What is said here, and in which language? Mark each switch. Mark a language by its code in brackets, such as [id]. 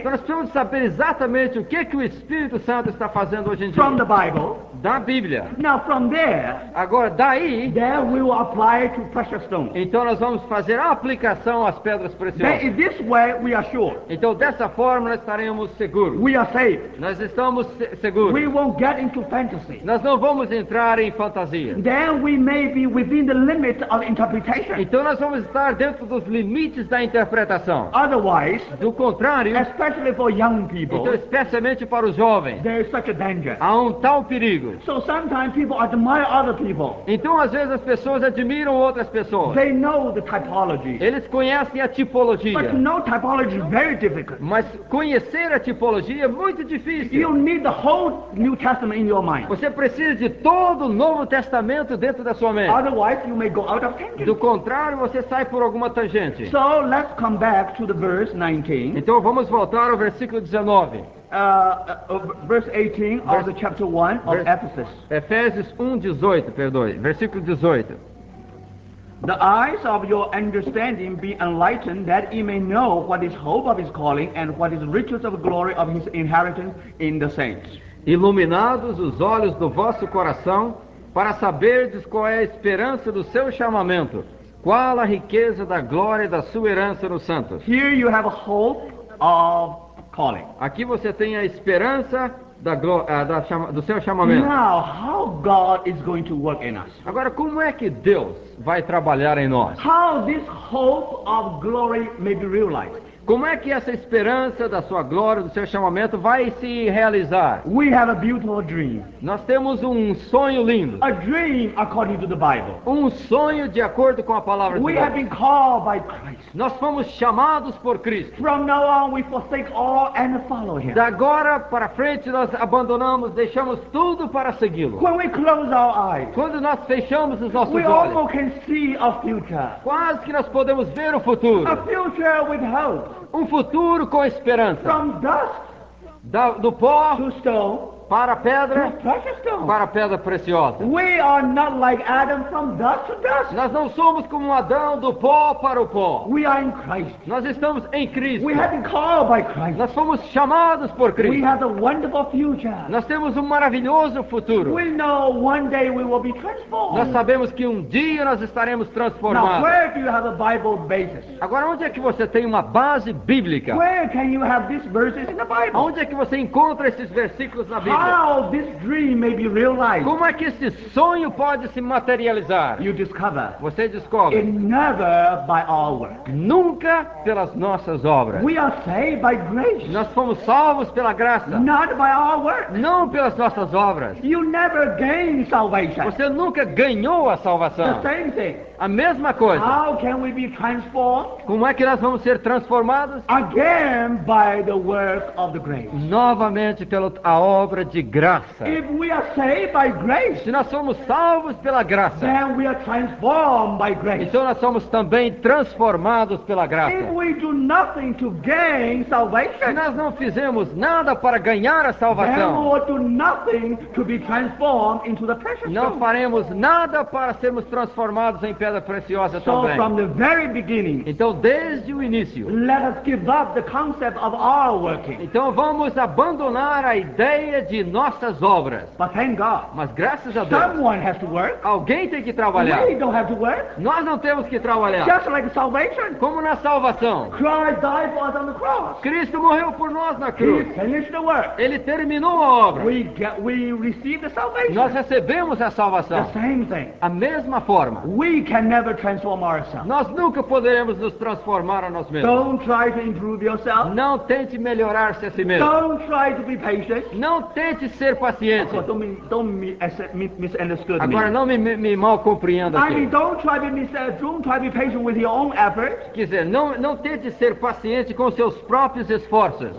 [pt] Então nós precisamos saber exatamente o que que o Espírito Santo está fazendo hoje em dia. [en] From the Bible. [pt] Da Bíblia. [en] Now from there. [pt] Agora daí. [en] There we will apply to precious stones. [pt] Então nós vamos fazer a aplicação às pedras preciosas. [en] Then, in this way, we are sure. [pt] Então dessa forma nós estaremos seguros. [en] We are safe. [pt] Nós estamos seguros. [en] We won't get into fantasy. [pt] Nós não vamos entrar em fantasia. [en] Then we may be within the limit of interpretation. [pt] Então nós vamos estar dentro dos limites da interpretação. [en] Otherwise, [pt] do contrário, [en] especially for young people, [pt] então, especialmente para os jovens, [en] there is such a danger. [pt] Há tal perigo. [en] So sometimes people admire other people. [pt] Então às vezes as pessoas admiram outras pessoas. [en] They know the typology. [pt] Eles conhecem a tipologia. [en] But to know typology is very difficult. [pt] Mas conhecer a tipologia é muito difícil. [en] You need the whole New Testament in your mind. [pt] Você precisa de todo o Novo Testamento dentro da sua mente. [en] Otherwise, you may go out of tangent. [pt] Do contrário, você sai por alguma tangente. [en] So let's come back to the verse 19. [pt] Então vamos voltar ao versículo 19. [en] Verse 18. The eyes of your understanding be enlightened, that ye may know what is hope of his calling, and what is riches of the glory of his inheritance in the saints. [pt] Iluminados os olhos do vosso coração, para saberdes qual é a esperança do seu chamamento, qual a riqueza da glória e da sua herança nos santos. [en] Here you have a hope of calling. [pt] Aqui você tem a esperança da glória, do seu chamamento. [en] Now, how God is going to work in us? [pt] Agora, como é que Deus vai trabalhar em nós? [en] How this hope of glory may be realized? [pt] Como é que essa esperança da sua glória, do seu chamamento vai se realizar? [en] We have a beautiful dream. [pt] Nós temos sonho lindo. [en] A dream according to the Bible. [pt] Sonho de acordo com a palavra de Deus. [en] We have been called by Christ. [pt] Nós fomos chamados por Cristo. [en] From now on we forsake all and follow him. [pt] De agora para frente nós abandonamos, deixamos tudo para segui-lo. [en] When we close our eyes. [pt] Quando nós fechamos os nossos olhos. [en] We also can see a future. [pt] Quase que nós podemos ver o futuro. [en] A future with hope. [pt] Futuro com esperança. [en] From dust, [pt] do pó [en] to stone, [pt] para a pedra, [en] precious stone. [pt] Para a pedra preciosa. [en] We are not like Adam from dust to dust. [pt] Nós não somos como Adão, do pó para o pó. [en] We are in Christ. [pt] Nós estamos em Cristo. [en] We have been called by Christ. [pt] Nós fomos chamados por Cristo. [en] We have a wonderful future. [pt] Nós temos um maravilhoso futuro. [en] We know one day we will be transformed. [pt] Nós sabemos que um dia nós estaremos transformados. [en] Now, where do you have a Bible basis? [pt] Agora, onde é que você tem uma base bíblica? [en] Where can you have these verses in the Bible? [pt] Onde é que você encontra esses versículos na Bíblia? [en] How this dream may be realized? [pt] Como é que esse sonho pode se materializar? [en] You discover. [pt] Você descobre. [en] And never by our work. [pt] Nunca pelas nossas obras. [en] We are saved by grace. [pt] Nós fomos salvos pela graça. [en] Not by our work. [pt] Não pelas nossas obras. [en] You never gain salvation. [pt] Você nunca ganhou a salvação. [en] The same thing. [pt] A mesma coisa. [en] How can we be transformed? [pt] Como é que nós vamos ser transformados? [en] Again by the work of the grace. [pt] Novamente pela obra de graça. [en] If we are saved by grace, [pt] se nós somos salvos pela graça, [en] then we are transformed by grace. [pt] Então nós somos também transformados pela graça. [en] If we do nothing to gain salvation, [pt] se nós não fizemos nada para ganhar a salvação, [en] then we will do nothing to be transformed into the precious stone. [pt] Não faremos nada para sermos transformados em pedra preciosa também. [en] So from the very beginning, [pt] então desde o início, [en] let us give up the concept of our working. [pt] Então vamos abandonar a ideia de nossas obras. [en] But thank God, [pt] mas graças a [en] someone [pt] Deus, [en] someone has to work. [pt] Alguém tem que trabalhar. [en] We don't have to work. [pt] Nós não temos que trabalhar. [en] Just like salvation, [pt] como na salvação. [en] Christ died for us on the cross. [pt] Cristo morreu por nós na cruz. [en] He finished the work. [pt] Ele terminou a obra. [en] We receive the salvation. [pt] Nós recebemos a salvação. [en] The same thing. [pt] A mesma forma. [en] We can never transform ourselves. [pt] Nós nunca poderemos nos transformar a nós mesmos. [en] Don't try to improve yourself. [pt] Não tente melhorar-se a si mesmo. [en] Don't try to be patient. [pt] Não tente ser paciente. [en] Oh, don't misunderstand me. [pt] Agora não me mal compreenda. [en] I mean, don't try to be patient with your own efforts. [pt] Quer dizer, não tente ser paciente com seus próprios esforços.